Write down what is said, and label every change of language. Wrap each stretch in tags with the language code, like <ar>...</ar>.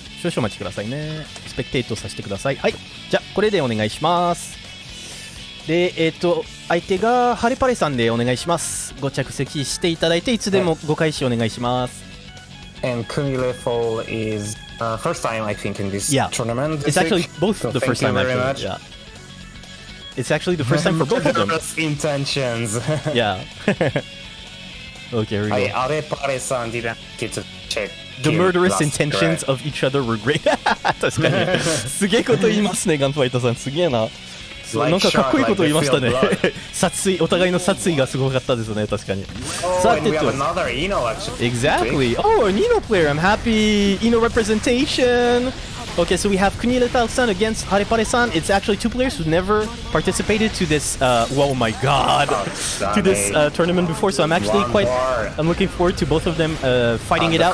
<ja>少々お待ちくださいね。スペクテートさせてください。はい。じゃ、これでお願いします。で、相手がハレパレさんでお願いします。ご着席していただいて、いつでもご開始お願いします。And</ja> <en>Kunilefol is first time, I think, in this tournament. It's actually both the first time, actually. Thank you very much. Yeah. It's actually the first time for both of them. Best intentions. Yeah. Okay, here we go. Harepare-san didn't get to check. The murderous intentions of each other were great.</en> <ja>確かに。すげえこと言いますね、ガンファイトさん。すげえな。なんかかっこいいこと言いましたね。殺意、お互いの殺意がすごかったですね、確かに。</ja> <en>Exactly. Oh, an Ino player. I'm happy. Ino representation. Okay, so we have Kunile-san against Harepare-san. It's actually two players who've never participated to this, whoa my god, to this tournament before. So I'm actually quite, I'm looking forward to both of them fighting it out.</en>